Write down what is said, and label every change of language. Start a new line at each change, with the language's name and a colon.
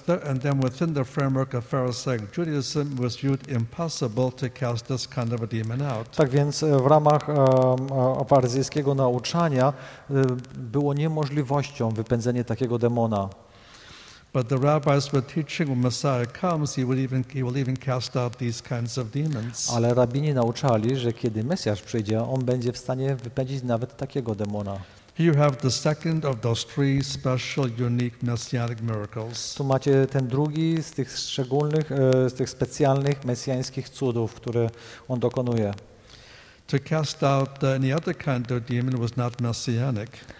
English: And then within the framework of Pharisaic Judaism was viewed impossible to cast this kind of a demon out.
Polish: Tak więc w ramach faryzyjskiego nauczania było niemożliwością wypędzenie takiego demona.
English: But the rabbis were teaching when Messiah comes, he will even cast out these kinds of demons.
Polish: Ale rabini nauczali, że kiedy Mesjasz przyjdzie, on będzie w stanie wypędzić nawet takiego demona.
English: You have the second of those three special, unique messianic miracles.
Polish: Tu macie ten drugi z tych szczególnych, z tych specjalnych mesjańskich cudów, które on dokonuje.
English: To cast out any other kind of demon was not messianic.